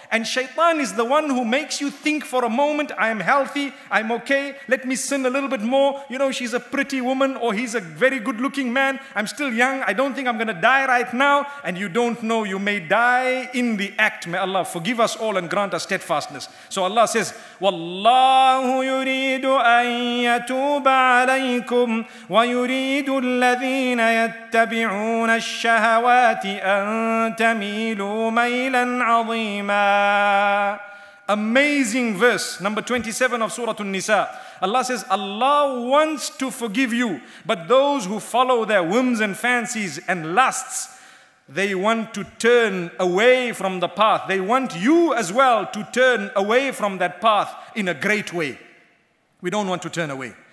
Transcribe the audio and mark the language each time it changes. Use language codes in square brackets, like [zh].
[en] And shaitan is the one who makes you think for a moment, I am healthy, I'm okay, let me sin a little bit more. You know, she's a pretty woman or he's a very good looking man. I'm still young. I don't think I'm going to die right now. And you don't know, you may die in the act. May Allah forgive us all and grant us steadfastness. So Allah says, [ar] وَاللَّهُ يُرِيدُ أَن يَتُوبَ عَلَيْكُمْ وَيُرِيدُ الَّذِينَ يَتَّبِعُونَ الشَّهَوَاتِ أَن تَمِيلُوا مَيْلًا عَظِيمًا. [en] Amazing verse, number 27 of Surah An-Nisa. Allah says, Allah wants to forgive you, but those who follow their whims and fancies and lusts, they want to turn away from the path. They want you as well to turn away from that path in a great way. We don't want to turn away.